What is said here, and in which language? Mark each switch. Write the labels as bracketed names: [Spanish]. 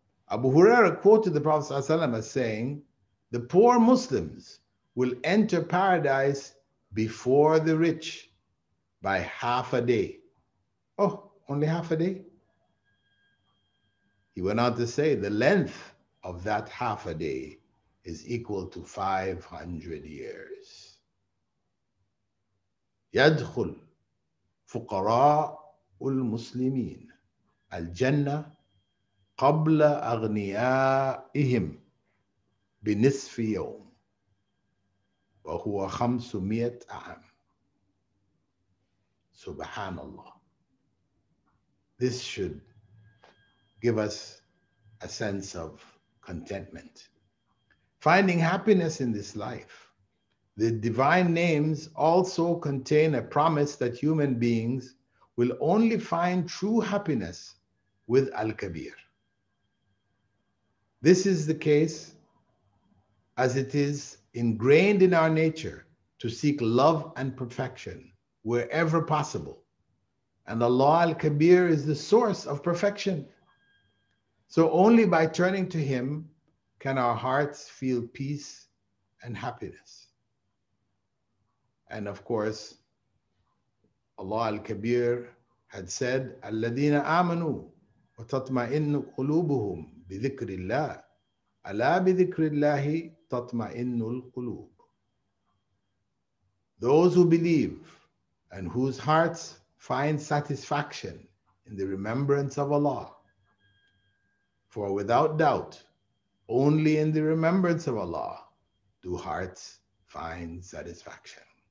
[English] Abu Huraira quoted the Prophet ﷺ as saying, the poor Muslims will enter paradise before the rich by half a day. Oh, only half a day? He went on to say, the length of that half a day is equal to 500 years. [Arabic] يدخل فقراء المسلمين الجنه قبل اغنيائهم بنصف يوم وهو 500 عام. [English] Subhanallah. This should give us a sense of contentment. Finding happiness in this life, the divine names also contain a promise that human beings will only find true happiness with Al-Kabir. This is the case as it is ingrained in our nature to seek love and perfection wherever possible. And Allah Al-Kabir is the source of perfection. So only by turning to Him can our hearts feel peace and happiness. And of course, Allah Al-Kabir had said, [Arabic] الَّذِينَ آمَنُوا وَتَطْمَئِنُّ قُلُوبُهُمْ بِذِكْرِ اللَّهِ أَلَا بِذِكْرِ اللَّهِ تَطْمَئِنُّ الْقُلُوبُ. [English] Those who believe and whose hearts find satisfaction in the remembrance of Allah. For without doubt, only in the remembrance of Allah do hearts find satisfaction.